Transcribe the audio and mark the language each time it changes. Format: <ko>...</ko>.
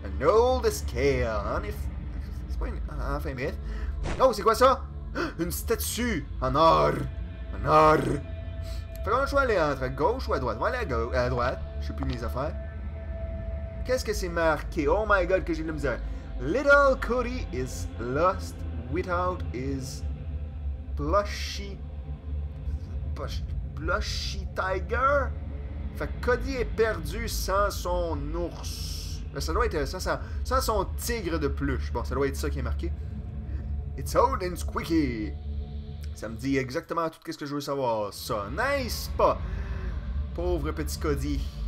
<en>An old scale.</en> <fr>En effet. C'est pas une. Enfin, bref. Oh, c'est quoi ça? Une statue en or. En or. Fait qu'on a le choix d'aller entre gauche ou à droite. On va aller à droite. Je sais plus mes affaires. Qu'est-ce que c'est marqué?</fr> <en>Oh my god,</en> <fr>que j'ai de la misère.</fr> <en>Little Cody is lost without his plushy tiger?</en> <fr>Fait que Cody est perdu sans son ours. Ben, ça doit être sans son tigre de peluche. Bon, ça doit être ça qui est marqué.</fr> <en>It's old and squeaky.</en> <fr>Ça me dit exactement tout ce que je veux savoir. Ça, n'est-ce pas? Pauvre petit Cody.</fr>